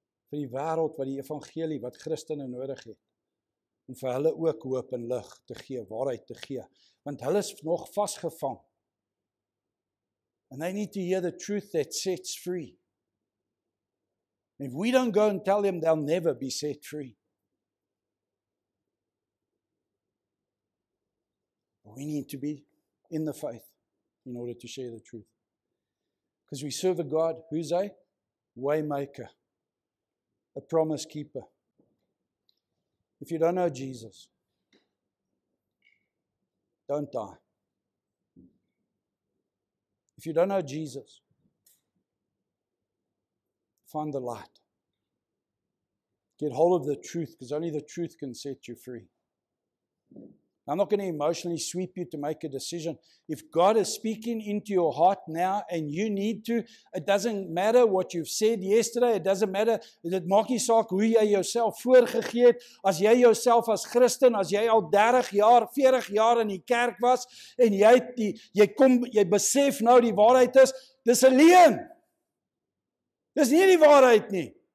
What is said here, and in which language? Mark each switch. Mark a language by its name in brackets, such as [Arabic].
[Afrikaans] Vir die wêreld wat die evangelie, wat Christene nodig het. Om vir hulle ook hoop en lig te gee, waarheid te gee, want hulle is nog vastgevang. [English] And they need to hear the truth that sets free. If we don't go and tell them, they'll never be set free. We need to be in the faith in order to share the truth. Because we serve a God who's a way maker, a promise keeper. If you don't know Jesus, don't die. If you don't know Jesus, find the light. Get hold of the truth, because only the truth can set you free. I'm not going to emotionally sweep you to make a decision. If God is speaking into your heart now and you need to, it doesn't matter what you've said yesterday. It doesn't matter. [Afrikaans] Dit maak nie saak hoe jy jouself voorgegee het. As jy jouself as Christen, as jy al 30 jaar, 40 jaar in die kerk was en jy besef nou die waarheid is, dis 'n leuen. Dis nie die waarheid nie.